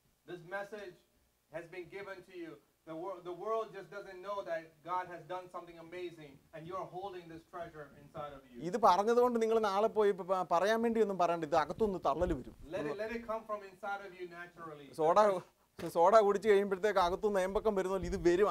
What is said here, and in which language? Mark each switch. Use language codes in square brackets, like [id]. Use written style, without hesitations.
[en] This message has been given to you. The world just doesn't know that God has done something amazing and you are holding this treasure inside of you. [ml] ഇത് പറഞ്ഞതുകൊണ്ട് നിങ്ങൾ നാളെ പോയി പറയാൻ വേണ്ടി ഒന്നും പറയണ്ട, ഇത് അകത്തൊന്ന് തള്ളൽ വരും. [en] Let it come from inside of you naturally. [ml] Soda കുടിച്ചു കഴിയുമ്പോഴത്തേക്ക് അകത്തുനിന്ന് നേമ്പക്കം വരുന്നില്ല, ഇത് വരും.